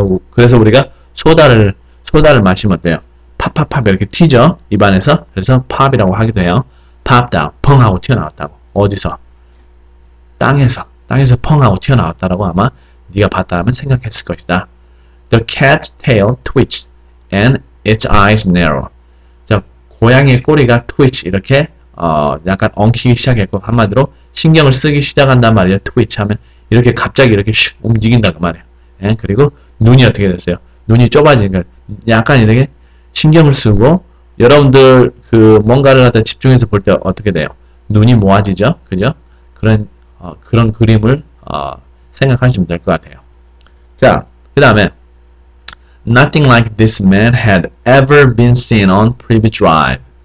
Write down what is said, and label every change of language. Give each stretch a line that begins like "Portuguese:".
Korean: 그래서 우리가 소다를 마시면 어때요? 팝팝팝 이렇게 튀죠? 입안에서. 그래서 pop이라고 하기도 해요. popped out. 펑 하고 튀어나왔다고. 어디서? 땅에서. 땅에서 펑 하고 튀어나왔다라고 아마 네가 봤다라면 생각했을 것이다.
English: The cat's tail twitched and its eyes narrowed.
Korean: 고양이의 꼬리가 twitch 이렇게 약간 엉키기 시작했고 한마디로 신경을 쓰기 시작한단 말이에요. twitch 하면 이렇게 갑자기 이렇게 슉 움직인단 말이에요. 예? 그리고 눈이 어떻게 됐어요? 눈이 좁아지니까 약간 이렇게 신경을 쓰고 여러분들 그 뭔가를 갖다 집중해서 볼 때 어떻게 돼요? 눈이 모아지죠? 그죠? 그런 그림을 생각하시면 될 것 같아요.
English: 자, 그 다음에 Nothing like this man had ever been seen on Privy Drive.